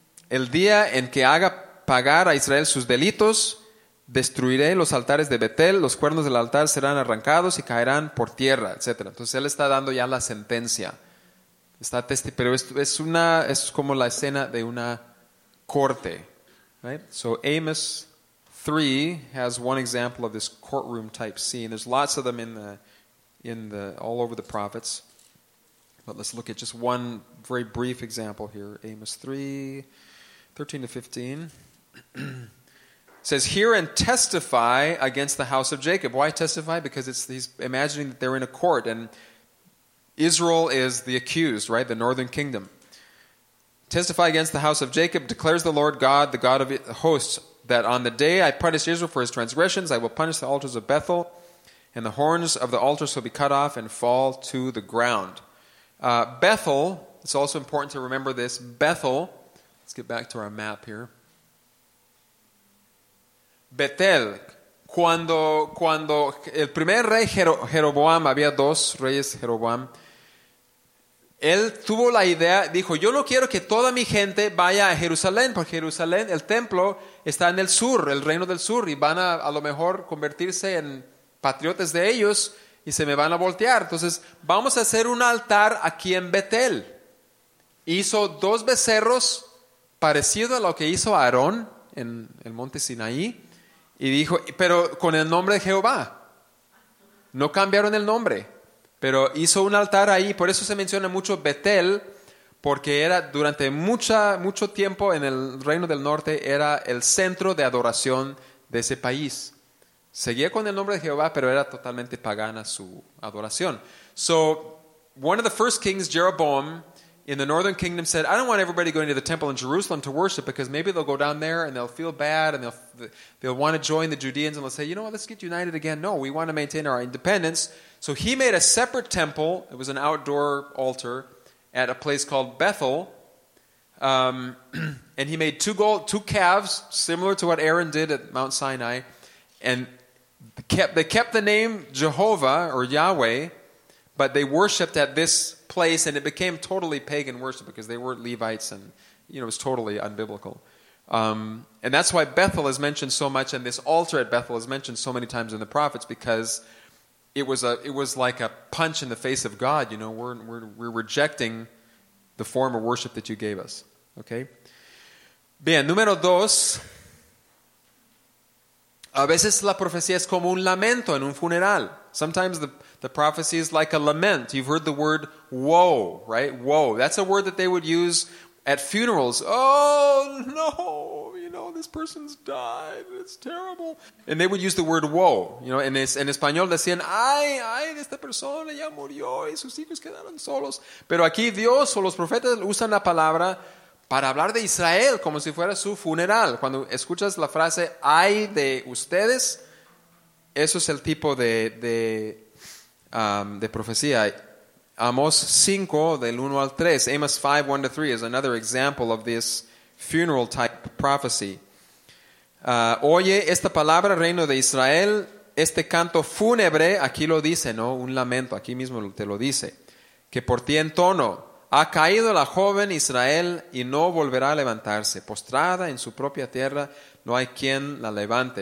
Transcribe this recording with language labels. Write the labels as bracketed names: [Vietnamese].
[Spanish] El día en que haga pagar a Israel sus delitos, destruiré los altares de Betel, los cuernos del altar serán arrancados y caerán por tierra, etc. Entonces él está dando ya la sentencia. Está pero es como la escena de una corte. [English] Right? So Amos 3 has one example of this courtroom type scene. There's lots of them in the all over the prophets. But let's look at just one very brief example here. Amos 3:13-15 says, "Hear and testify against the house of Jacob." Why testify? Because he's imagining that they're in a court and Israel is the accused, right? The northern kingdom. "Testify against the house of Jacob, declares the Lord God, the God of hosts, that on the day I punish Israel for his transgressions, I will punish the altars of Bethel, and the horns of the altars will be cut off and fall to the ground." Bethel, it's also important to remember this, Bethel, let's get back to our map here. [Spanish] Betel, cuando el primer rey Jeroboam, había dos reyes Jeroboam, él tuvo la idea, dijo, yo no quiero que toda mi gente vaya a Jerusalén, porque Jerusalén, el templo, está en el sur, el reino del sur, y van a lo mejor convertirse en patriotas de ellos y se me van a voltear. Entonces, vamos a hacer un altar aquí en Betel. Hizo dos becerros parecido a lo que hizo Aarón en el monte Sinaí, y dijo, pero con el nombre de Jehová. No cambiaron el nombre. Pero hizo un altar ahí, por eso se menciona mucho Betel, porque era durante mucho tiempo en el Reino del Norte, era el centro de adoración de ese país. Seguía con el nombre de Jehová, pero era totalmente pagana su adoración. [English] So, one of the first kings, Jeroboam, in the northern kingdom said, I don't want everybody going to the temple in Jerusalem to worship, because maybe they'll go down there and they'll feel bad and they'll want to join the Judeans and they'll say, you know what, let's get united again. No, we want to maintain our independence. So he made a separate temple. It was an outdoor altar at a place called Bethel. And he made two calves, similar to what Aaron did at Mount Sinai. And they kept the name Jehovah or Yahweh, but they worshipped at this place, and it became totally pagan worship because they weren't Levites, and you know, it was totally unbiblical. And that's why Bethel is mentioned so much, and this altar at Bethel is mentioned so many times in the prophets, because it was like a punch in the face of God. You know, we're rejecting the form of worship that you gave us. [Spanish] Okay. Bien, número dos. A veces la profecía es como un lamento en un funeral. [English] Sometimes the prophecy is like a lament. You've heard the word woe, right? Woe. That's a word that they would use at funerals. Oh, no. You know, this person's died. It's terrible. And they would use the word woe. You know, [Spanish] en español decían, ay, ay, esta persona ya murió y sus hijos quedaron solos. Pero aquí Dios o los profetas usan la palabra para hablar de Israel como si fuera su funeral. Cuando escuchas la frase, ay de ustedes, eso es el tipo de profecía. Amos 5, del 1 al 3. [English] Amos 5, 1 to 3 is another example of this funeral type prophecy. [Spanish] Oye esta palabra, reino de Israel, este canto fúnebre, aquí lo dice, ¿no? Un lamento, aquí mismo te lo dice. Que por ti entono, ha caído la joven Israel y no volverá a levantarse. Postrada en su propia tierra, no hay quien la levante.